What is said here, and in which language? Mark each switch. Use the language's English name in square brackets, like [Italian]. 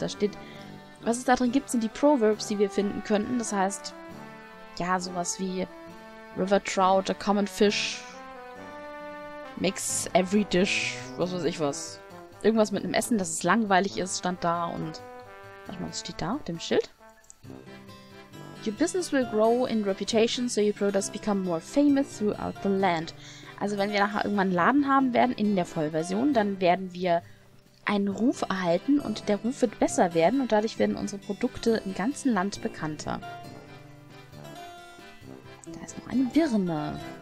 [German] Da steht, was es da drin gibt, sind die Proverbs, die wir finden könnten. Das heißt, ja, sowas wie River Trout, [English] a common fish, mix every dish, [German] was weiß ich was. Irgendwas mit einem Essen, das es langweilig ist, stand da und... Warte mal, was steht da auf dem Schild? [English] Your business will grow in reputation, so your products become more famous throughout the land. [German] Also wenn wir nachher irgendwann einen Laden haben werden, in der Vollversion, dann werden wir einen Ruf erhalten und der Ruf wird besser werden und dadurch werden unsere Produkte im ganzen Land bekannter. Da ist noch eine Birne.